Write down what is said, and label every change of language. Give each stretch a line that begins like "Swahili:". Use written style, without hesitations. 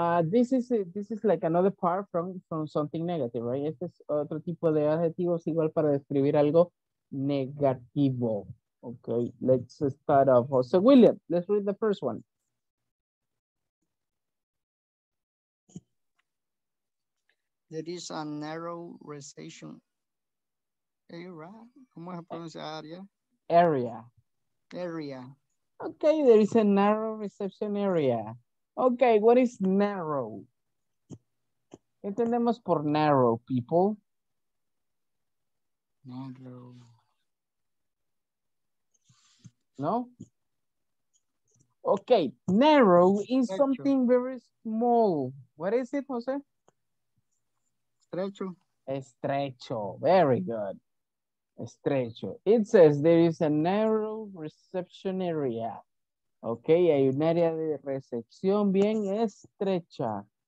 English: This is like another part from something negative, right?
Spanish: Este es otro tipo de adjetivos igual para describir algo negativo.
English: Okay, let's start off. Jose William, let's read the first one. There is a narrow recession area.
Spanish: ¿Cómo se pronuncia área?
English: Area. Area. Okay, there is a narrow reception area. Okay, what is narrow?
Spanish: ¿Qué entendemos por narrow, people?
English: Narrow. No? Okay, narrow is something very small. What is it, Jose?
Spanish: Estrecho. Estrecho,
English: very good.
Spanish: Estrecho.
English: It says there is a narrow reception area.
Spanish: Okay, hay un área de recepción bien estrecha.